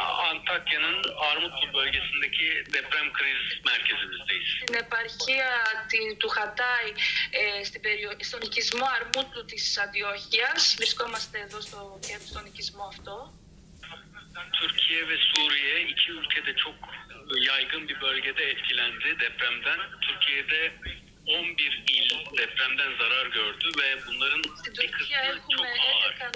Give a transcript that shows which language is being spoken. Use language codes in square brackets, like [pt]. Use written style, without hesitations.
[tr] Antakya'nın Armutlu bölgesindeki deprem kriz merkezimizdeyiz. [el] Στην επαρχία του Χατάι, στον οικισμό Αρμούτλου της Αντιόχειας, βρισκόμαστε εδώ στον οικισμό αυτό. [tr] Türkiye ve Suriye iki ülkede çok yaygın bir bölgede etkilendi depremden. Türkiye'de 11 il depremden zarar gördü ve bunların bir kısmı çok ağır.